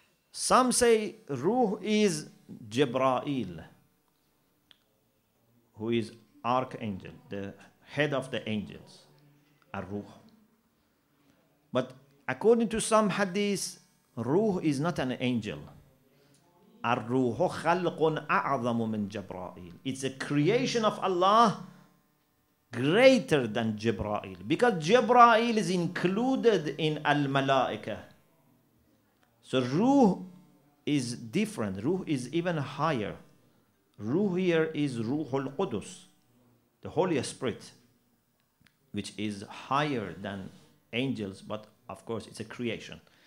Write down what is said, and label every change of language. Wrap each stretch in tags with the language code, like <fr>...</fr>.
<en>Some say ruh is Jibra'il, who is archangel, the head of the angels, a ruh. But according to some hadith, ruh is not an angel.</en> <ar>الروح خلق أعظم من جبرائيل.</ar> <en>It's a creation of Allah greater than Jibra'il. Because Jibra'il is included in Al-Malaika. So Ruh is different. Ruh is even higher. Ruh here is Ruhul Qudus, the Holy Spirit, which is higher than angels, but of course it's a creation.</en>